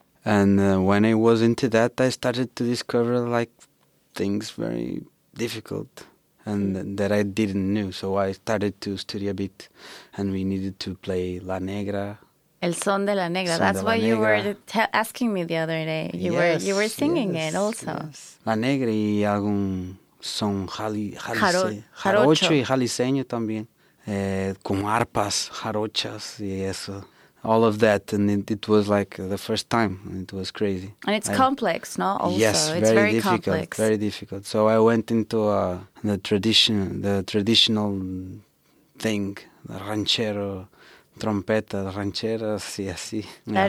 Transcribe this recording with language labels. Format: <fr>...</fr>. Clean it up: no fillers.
<en>And when I was into that, I started to discover like things very difficult and that I didn't know. So I started to study a bit, and we needed to play La Negra.</en> <es>El son de la negra.</es> <en>Son That's why you were asking me the other day. You were singing it also. Yes.</en> <es>La Negra y algún son jarocho y jaliseño también, con arpas, jarochas y eso.</es> <en>All of that, and it was like the first time. It was crazy. And it's complex, no? Also, yes, it's very difficult. Complex. Very difficult. So I went into the traditional thing, the ranchero,</en> <es>trompeta, rancheras, y así.</es> <en>Yeah.</en>